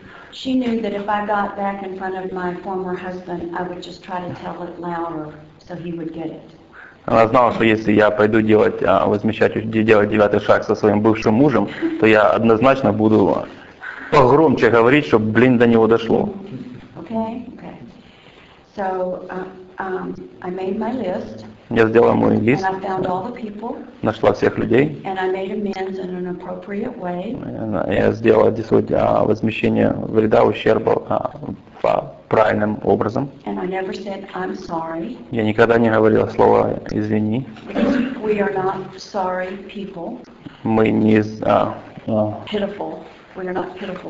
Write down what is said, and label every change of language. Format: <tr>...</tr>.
<en>She knew that if I got back in front of my former husband, I would just try to tell it louder so he would get it.</en> <ru>Она знала, что если я пойду делать девятый шаг со своим бывшим мужем, то я однозначно буду погромче говорить, чтобы, блин, до него дошло.</ru> <en>Okay. So, I made my list.</en> <ru>Я сделала мой лист.</ru> <en>And I found all the people.</en> <ru>Нашла всех людей.</ru> <en>And I made amends in an appropriate way.</en> <ru>Я сделала возмещение вреда, ущерба правильным образом.</ru> <en>And I never said I'm sorry.</en> <ru>Я никогда не говорила слово извини.</ru> <en>We are not sorry people.</en> <ru>Мы не</ru> <en>pitiful. We are not pitiful.</en>